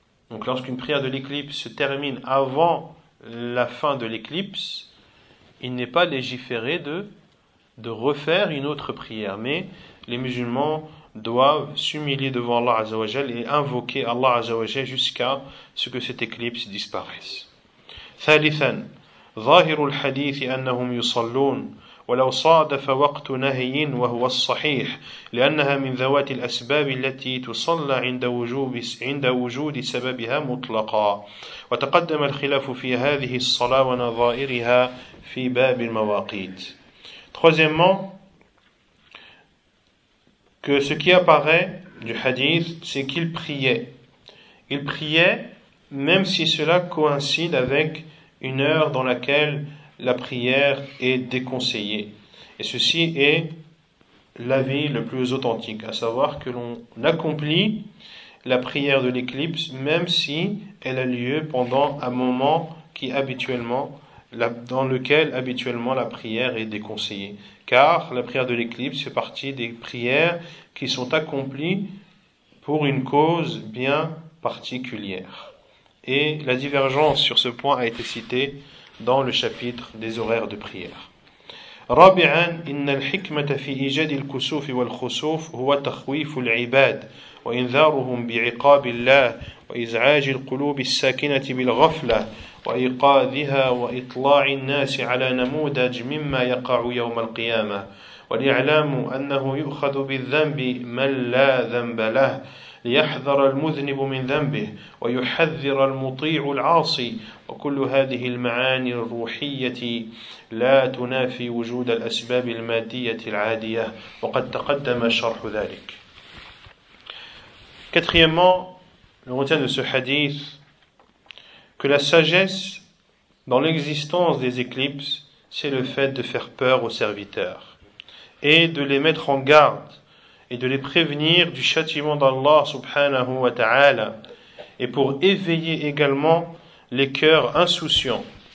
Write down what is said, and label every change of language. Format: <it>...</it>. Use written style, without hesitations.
<fr>Donc lorsqu'une prière de l'éclipse se termine avant la fin de l'éclipse, il n'est pas légiféré de refaire une autre prière, mais les musulmans doivent s'humilier devant Allah Azza wa Jal et invoquer Allah Azza wa Jal jusqu'à ce que cette éclipse disparaisse.</fr> <ar>Thalithan, ظاهر الحديث أنهم يصلون ولو صادف وقت نهي وهو الصحيح لأنها من ذوات الأسباب التي تصلى عند وجود سببها مطلقا وتقدم الخلاف في هذه الصلاة ونظائرها في باب المواقيت.</ar> <fr>Troisièmement, que ce qui apparaît du hadith, c'est qu'il priait. Il priait même si cela coïncide avec une heure dans laquelle la prière est déconseillée. Et ceci est l'avis le plus authentique, à savoir que l'on accomplit la prière de l'éclipse, même si elle a lieu pendant un moment qui habituellement dans lequel habituellement la prière est déconseillée. Car la prière de l'éclipse fait partie des prières qui sont accomplies pour une cause bien particulière. Et la divergence sur ce point a été citée dans le chapitre des horaires de prière.</fr> <ar>رابعاً إن الحكمة في إيجاد الكسوف والخسوف هو تخويف العباد وإنذارهم بعقاب الله وإزعاج القلوب الساكنة بالغفلة وإيقاظها وإطلاع الناس على نموذج مما يقع يوم القيامة والإعلام أنه يؤخذ بالذنب من لا ذنب له ليحذر المذنب من ذنبه ويحذر المطيع العاصي وكل هذه المعاني الروحية لا تنافي وجود الأسباب المادية العادية وقد تقدم شرح ذلك.</ar> <fr>Quatrièmement, le retient de ce hadith que la sagesse dans l'existence des éclipses, c'est le fait de faire peur aux serviteurs et de les mettre en garde et de les prévenir du châtiment d'Allah subhanahu wa ta'ala, et pour éveiller également les cœurs insouciants.</fr>